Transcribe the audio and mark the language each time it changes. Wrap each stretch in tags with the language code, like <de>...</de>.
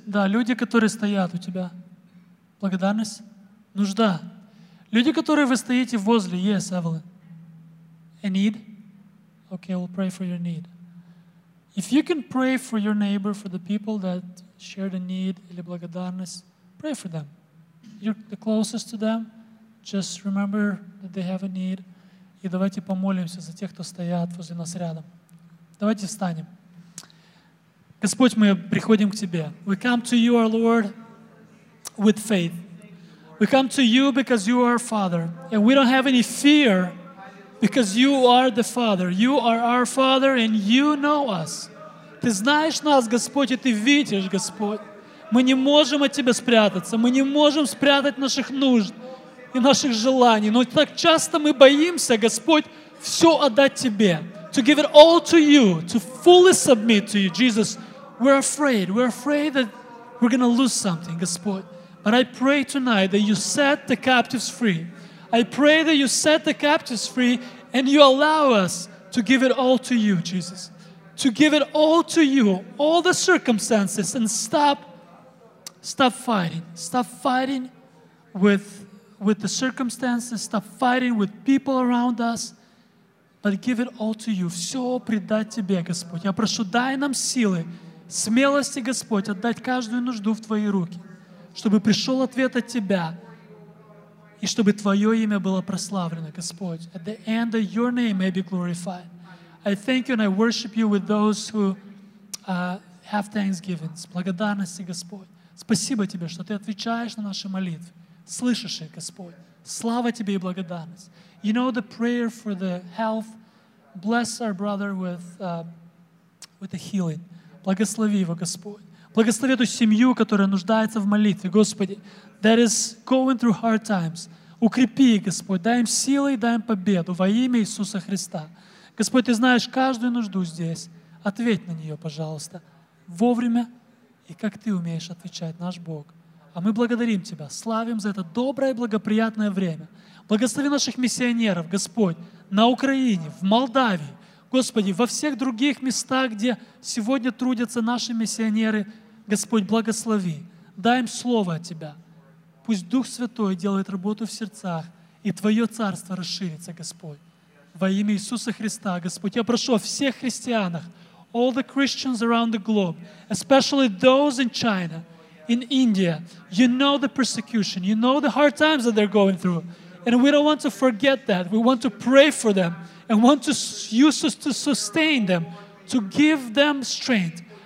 <ru>Да, люди, которые стоят у тебя. Благодарность, нужда. Люди, которые вы стоите возле, yes, Evelyn.</ru> <en>A need? Okay, we'll pray for your need. If you can pray for your neighbor, for the people that shared a need</en> <ru>или благодарность,</ru> <en>pray for them. You're the closest to them. Just remember that they have a need.</en> <ru>И давайте помолимся за тех, кто стоят возле нас рядом. Давайте встанем. Господь, мы приходим к Тебе.</ru> <en>We come to You, our Lord, with faith. We come to You because You are Father. And we don't have any fear because You are the Father. You are our Father and You know us.</en> <ru>Ты знаешь нас, Господь, и Ты видишь, Господь. Мы не можем от Тебя спрятаться, мы не можем спрятать наших нужд и наших желаний. Но так часто мы боимся, Господь, все отдать Тебе.</ru> <en>To give it all to You, to fully submit to You, Jesus. We're afraid. We're afraid that we're going to lose something, Господь. But I pray tonight that You set the captives free. I pray that You set the captives free and You allow us to give it all to You, Jesus. To give it all to You, all the circumstances, and stop fighting. Stop fighting with the circumstances. Stop fighting with people around us. But give it all to You.</en> <ru>Все предать Тебе, Господь. Я прошу, дай нам силы, смелости, Господь, отдать каждую нужду в Твои руки, чтобы пришел ответ от Тебя и чтобы Твое имя было прославлено, Господь.</ru> <en>At the end, that Your name may be glorified. I thank You and I worship You with those who have thanksgivings.</en> <ru>Благодарности, Господь. Спасибо Тебе, что Ты отвечаешь на наши молитвы. Слышишь их, Господь. Слава Тебе и благодарность.</ru> <en>You know the prayer for the health. Bless our brother with the healing.</en> <ru>Благослови его, Господь. Благослови эту семью, которая нуждается в молитве, Господи.</ru> <en>That is going through hard times.</en> <ru>Укрепи их, Господь. Дай им силы и дай им победу во имя Иисуса Христа. Господь, Ты знаешь каждую нужду здесь. Ответь на нее, пожалуйста. Вовремя. И как Ты умеешь отвечать, наш Бог. А мы благодарим Тебя, славим за это доброе и благоприятное время. Благослови наших миссионеров, Господь, на Украине, в Молдавии, Господи, во всех других местах, где сегодня трудятся наши миссионеры. Господь, благослови, дай им слово от Тебя. Пусть Дух Святой делает работу в сердцах, и Твое Царство расширится, Господь. Во имя Иисуса Христа, Господь, я прошу о всех христианах,</ru> <en>all the Christians around the globe, especially those in China, in India. You know the persecution. You know the hard times that they're going through. And we don't want to forget that. We want to pray for them and want to use us to sustain them, to give them strength.</en>